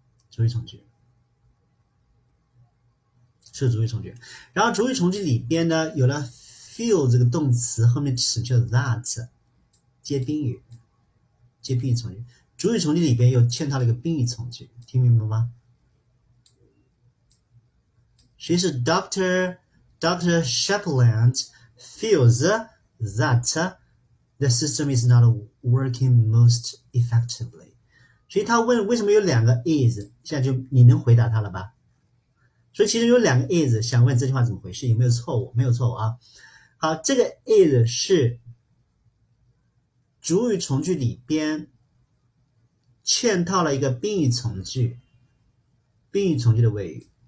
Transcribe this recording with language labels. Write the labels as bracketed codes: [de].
[zh] 主语从句是主语从句，然后主语从句里边呢，有了 feel 这个动词，后面省去了 that，接宾语，接宾语从句。主语从句里边又嵌套了一个宾语从句，听明白吗？谁是 doctor？ Dr. [en] Shetland feels that the system is not working most effectively。 [zh] 所以他问为什么有两个 is，现在就你能回答他了吧？所以其实有两个 is，想问这句话怎么回事，有没有错误？没有错误啊。好，这个 is 是主语从句里边嵌套了一个宾语从句，宾语从句的谓语。